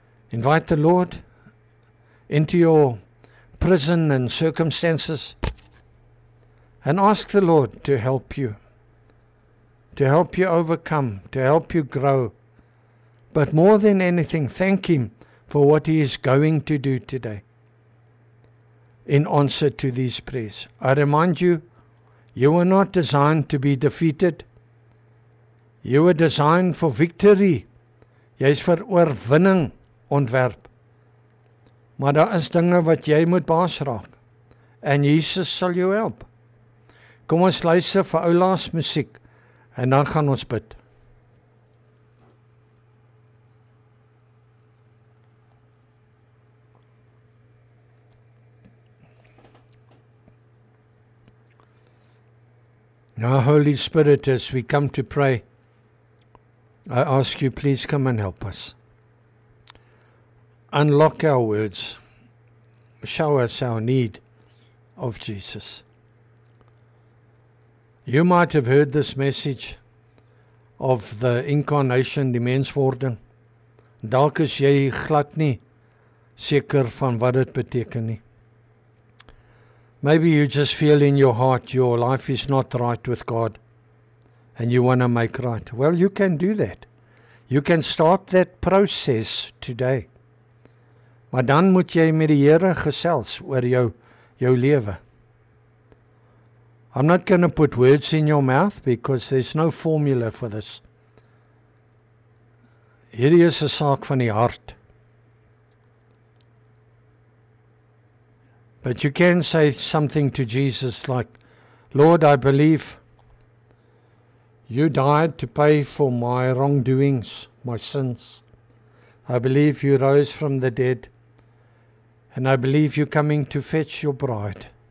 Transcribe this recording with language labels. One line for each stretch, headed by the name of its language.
English: Invite the Lord into your prison and circumstances and ask the Lord to help you, to help you overcome, to help you grow. But more than anything, thank him for what he is going to do today. In answer to these prayers, I remind you, you were not designed to be defeated. You were designed for victory.
Afrikaans: Jy is vir oorwinning ontwerp. Maar daar is dinge wat jy moet baas raak. en Jesus sal jou help. Kom ons luister vir ou Laas musiek en dan gaan ons bid.
English: Now, Holy Spirit, as we come to pray, I ask you, please come and help us. Unlock our words. Show us our need of Jesus. You might have heard this message of the incarnation, die menswording.
Afrikaans: Dalk is jy glad nie seker van wat dit beteken nie.
English: Maybe you just feel in your heart your life is not right with God and you want to make right. Well, you can do that. You can start that process today.
Afrikaans: Maar dan moet jy met die Here gesels oor jou lewe.
English: I'm not going to put words in your mouth because there's no formula for this.
Afrikaans: Hierdie is 'n saak van die hart.
English: But you can say something to Jesus like, Lord, I believe you died to pay for my wrongdoings, my sins. I believe you rose from the dead. And I believe you're coming to fetch your bride.